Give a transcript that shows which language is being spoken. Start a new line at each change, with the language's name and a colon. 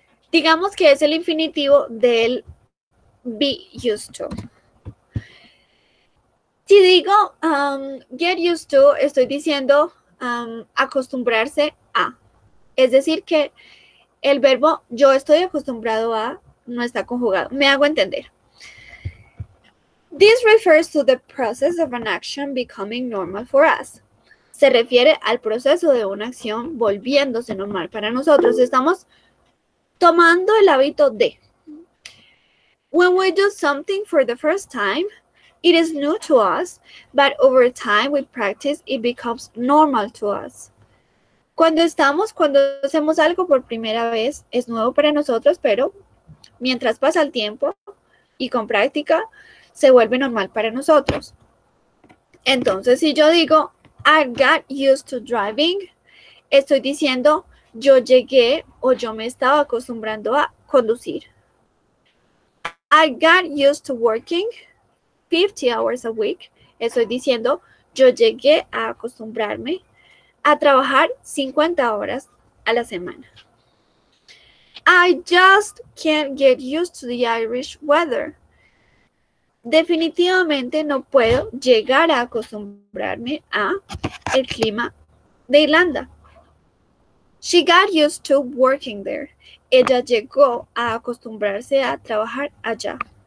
Spanish: Digamos que es el infinitivo del be used to. Si digo get used to, estoy diciendo acostumbrarse a. Es decir, que el verbo yo estoy acostumbrado a no está conjugado. Me hago entender.
English: This refers to the process of an action becoming normal for us.
Spanish: Se refiere al proceso de una acción volviéndose normal para nosotros. Estamos tomando el hábito de.
English: When we do something for the first time, it is new to us, but over time we practice, it becomes normal to us.
Spanish: Cuando hacemos algo por primera vez, es nuevo para nosotros, pero mientras pasa el tiempo y con práctica, se vuelve normal para nosotros. Entonces, si yo digo,
English: I got used to driving.
Spanish: Estoy diciendo, yo llegué o yo me estaba acostumbrando a conducir.
English: I got used to working 50 hours a week.
Spanish: Estoy diciendo, yo llegué a acostumbrarme a trabajar 50 horas a la semana.
English: I just can't get used to the Irish weather.
Spanish: Definitivamente no puedo llegar a acostumbrarme a el clima de Irlanda.
English: She got used to working there.
Spanish: Ella llegó a acostumbrarse a trabajar allá.